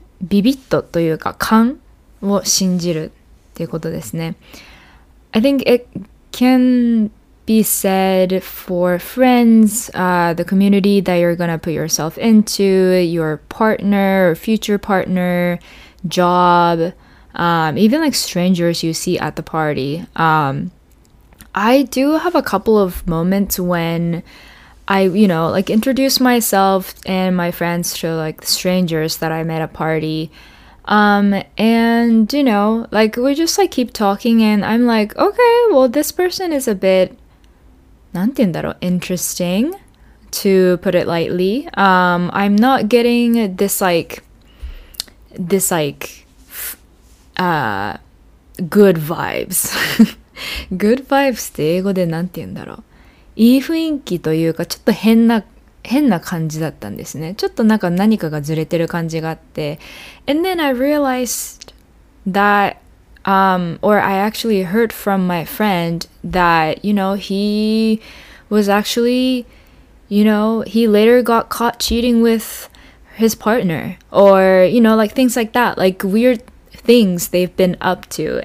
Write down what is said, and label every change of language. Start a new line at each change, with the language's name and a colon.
Japanese: ビビッとというか勘を信じる。ということですね。
English: I think it can be said for friends, the community that you're gonna put yourself into, your partner, or future partner, job, even like strangers you see at the party. I do have a couple of moments when I, you know, like introduce myself and my friends to like strangers that I met at a party. And you know, like we just like keep talking and I'm like, okay, well this person is a bit,
Japanese: なんて言うんだろう?
English: Interesting, to put it lightly. I'm not getting good vibes. Good vibes
Japanese: って英語でなんて言うんだろう? いい雰囲気というかちょっと変な感じだったんですね。ちょっとなんか何かがずれてる感じがあって。
English: And then I realized that, or I actually heard from my friend that, you know, he was actually, you know, he later got caught cheating with his partner. Or, you know, like things like that. Like weird things they've been up to.